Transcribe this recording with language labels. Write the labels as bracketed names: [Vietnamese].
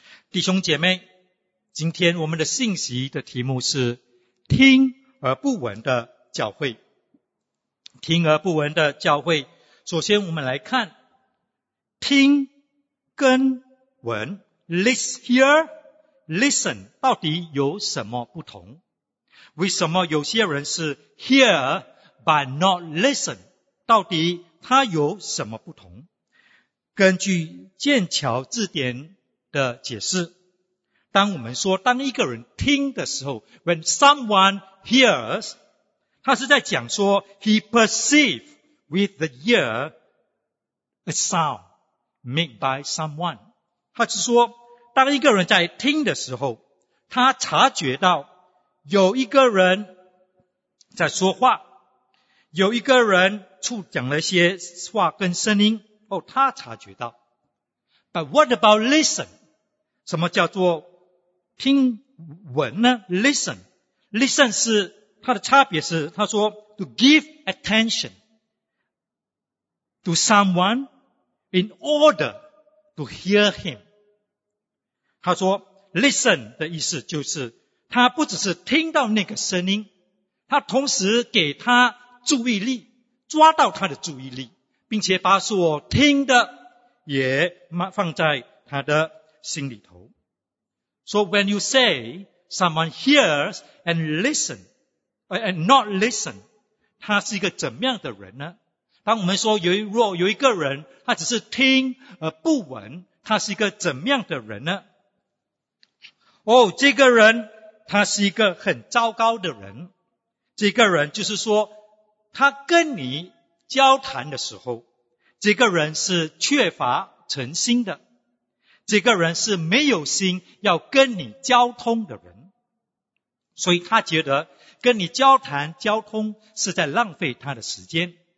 [Chinese] 弟兄姐妹，今天我们的信息的题目是听而不闻的教会。听而不闻的教会，首先我们来看听跟闻 listen 到底有什么不同？为什么有些人是 [English] hear but not listen？ [Chinese] 到底它有什么不同？根据剑桥字典的解释，当我们说当一个人听的时候 ， [English] when someone hears， [Chinese] 他是在讲说 [English] he perceives with the ear a sound made by someone。 [Chinese] 他是说，当一个人在听的时候，他察觉到有一个人在说话，有一个人讲了些话跟声音，哦，他察觉到。 [English] But what about listen？ [Chinese] 什么叫做听闻呢 ？Listen 是它的差别是，他说 [English] to give attention to someone in order to hear him。 [Chinese] 他说 listen 的意思就是，他不只是听到那个声音，他同时给他注意力，抓到他的注意力，并且把所听的也放在他的心里头。 [English] So when you say someone hears and listen and not listen， [Chinese] 他是一个怎么样的人呢？当我们说若有一个人他只是听而不闻，他是一个怎么样的人呢？这个人他是一个很糟糕的人。这个人就是说，他跟你交谈的时候，这个人是缺乏诚心的，这个人是没有心要跟你交通的人，所以他觉得跟你交谈交通是在浪费他的时间。